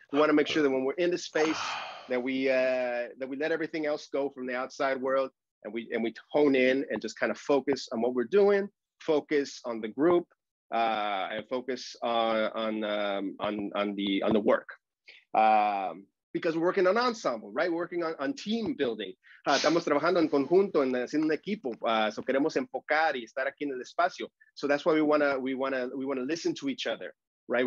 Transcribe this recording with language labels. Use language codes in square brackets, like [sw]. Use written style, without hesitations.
[en] We want to make sure that when we're in the space that we let everything else go from the outside world. And we hone in and just kind of focus on what we're doing, focus on the group, and focus on the work, because we're working on ensemble, right? We're working on team building. [es] Estamos trabajando en conjunto, en haciendo un equipo. So queremos enfocar y estar aquí en el espacio. [en] So that's why we wanna listen to each other, right?